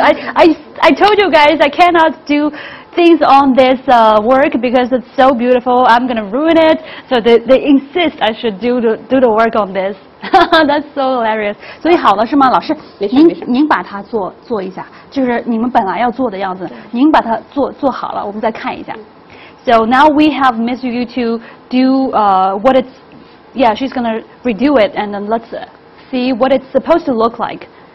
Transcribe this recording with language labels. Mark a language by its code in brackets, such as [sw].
[en] I told you guys I cannot do things on this work because it's so beautiful. I'm going to ruin it. So they insist I should do the work on this. That's so hilarious. [zh] 所以好了是吗，老师？您把它做一下，就是你们本来要做的样子，您把它做好了，我们再看一下。 [en] So now we have Miss Yu to do what it's. Yeah, she's gonna redo it, and then let's see what it's supposed to look like.